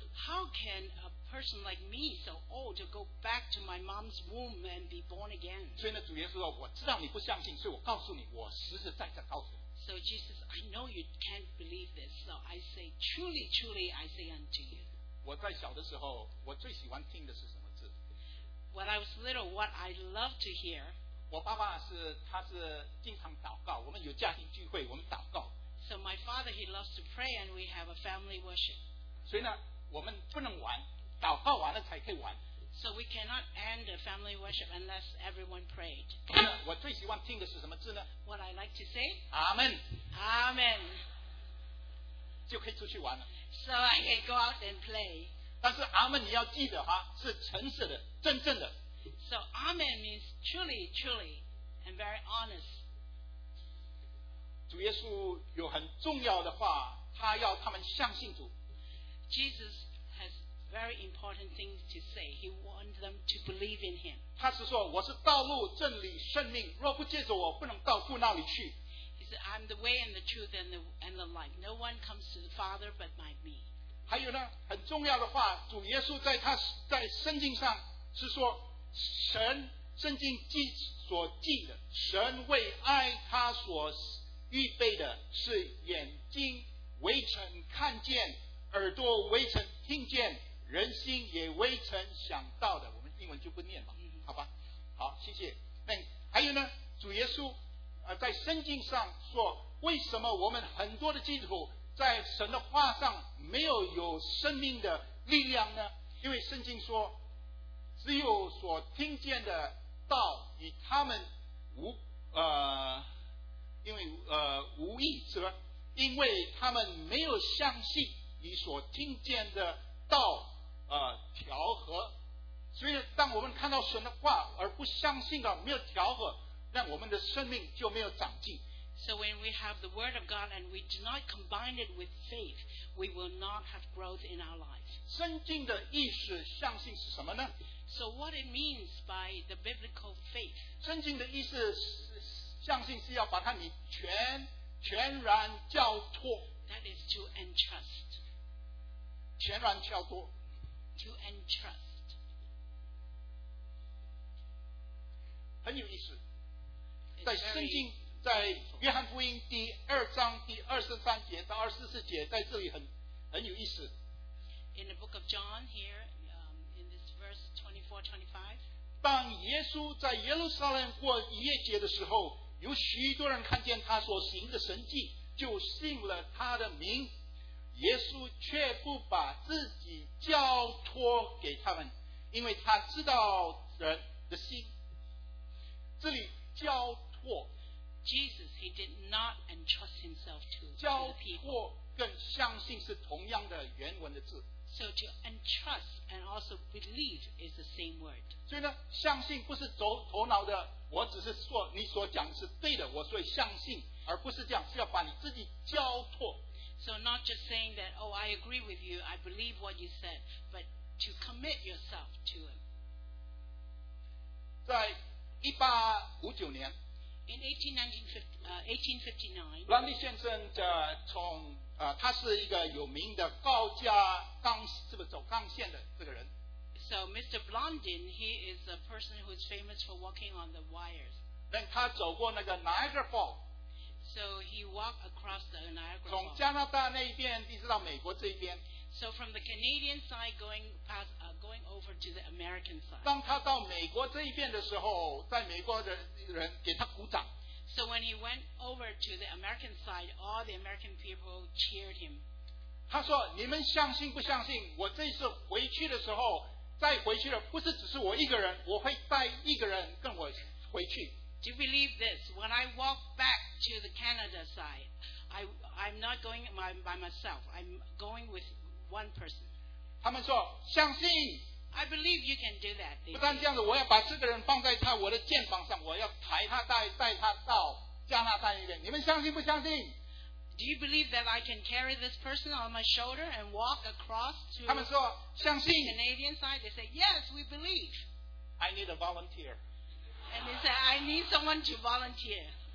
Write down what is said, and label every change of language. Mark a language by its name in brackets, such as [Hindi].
[English] How can a person like me, so old, to go back to my mom's womb and be born again? [Chinese] 所以呢，主耶稣说，我知道你不相信，所以我告诉你，我实实在在告诉你。 [English] So Jesus, I know you can't believe this, so I say, truly, truly, I say unto you. [Chinese] 我在小的时候，我最喜欢听的是什么字？ [English] When I was little, what I loved to hear. [Chinese] 我爸爸是，他是经常祷告，我们有家庭聚会，我们祷告。 [English] So my father, he loves to pray, and we have a family worship. [Chinese] 所以呢，我们不能玩，祷告完了才可以玩。 [English] So we cannot end a family worship unless everyone prayed. [Chinese] 我最喜欢听的是什么字呢？ [English] What I like to say? Amen. Amen. [Chinese] 就可以出去玩了。 [English] So I can go out and play. [Chinese] 但是 Amen 你要记得哈，是诚实的，真正的。 [English] So Amen means truly, truly, and very honest. [Chinese] 主耶稣有很重要的话，他要他们相信主。 [English] Jesus has very important things to say. He wants them to believe in him. [Chinese] 他是说，我是道路、真理、生命。若不借着我，不能到父那里去。 [English] He said, I'm the way and the truth and the life. No one comes to the Father but by me. [Chinese] 还有呢，很重要的话，主耶稣在他在圣经上是说，神圣经记所记的，神为爱他所预备的是眼睛未曾看见，耳朵未曾听见，人心也未曾想到的。我们英文就不念了，好吧？好，谢谢。那还有呢？主耶稣，在圣经上说，为什么我们很多的基督徒在神的话上没有有生命的力量呢？因为圣经说，只有所听见的道与他们无无益，是吧？因为他们没有相信你所听见的道调和。所以当我们看到神的话而不相信的，没有调和，让我们的生命就没有长进。 [English] So when we have the word of God and we do not combine it with faith, we will not have growth in our life. [Chinese] 圣经的意思相信是什么呢？ [English] So what it means by the biblical faith? [Chinese] 圣经的意思相信是要把它你全然交托。 [English] That is to entrust. [Chinese] 全然交托。 [English] To entrust. [Chinese] 很有意思。在圣经，在约翰福音第二章第二十三节到二十四节，在这里很有意思。 [English] In the book of John here, in this verse 24-25. [Chinese] 当耶稣在耶路撒冷过逾节的时候，有许多人看见他所行的神迹，就信了他的名。耶稣却不把自己交托给他们，因为他知道人的心。这里交托。 [English] Jesus, he did not entrust himself to the people. [Chinese] 交托跟相信是同样的原文的字。 [English] So to entrust and also believe is the same word. [Chinese] 所以呢，相信不是头脑的，我只是说你所讲是对的，我所以相信，而不是这样，是要把你自己交托。 [English] So not just saying that, oh, I agree with you, I believe what you said, but to commit yourself to him. [Chinese] 在1859年。 [English] In 1859, [Chinese] Randy 先生的从他是一个有名的高架钢，是不是走钢线的这个人。 [English] So Mr. Blondin, he is a person who is famous for walking on the wires. [Chinese] 那他走过那个 Niagara Falls. [English] So he walked across the Niagara Falls. [Chinese] 从加拿大那边一直到美国这边。 [English] So from the Canadian side going past, going over to the American side. [Chinese] 当他到美国这一边的时候，在美国的人给他鼓掌。 [English] So when he went over to the American side, all the American people cheered him. [Chinese] 他说：“你们相信不相信？我这次回去的时候，再回去的不是只是我一个人，我会带一个人跟我回去。” [English] Do you believe this? When I walk back to the Canada side, I'm not going by myself. I'm going with one person. [Chinese] 他们说：“相信。” [English] I believe you can do that. [Chinese] 不但这样子，我要把这个人放在他我的肩膀上，我要抬他带他到加拿大一边。你们相信不相信？ [English] Do you believe that I can carry this person on my shoulder and walk across to? [Chinese] 他们说相信。 [English] Canadian side, they say yes, we believe. I need a volunteer. And they say I need someone to volunteer.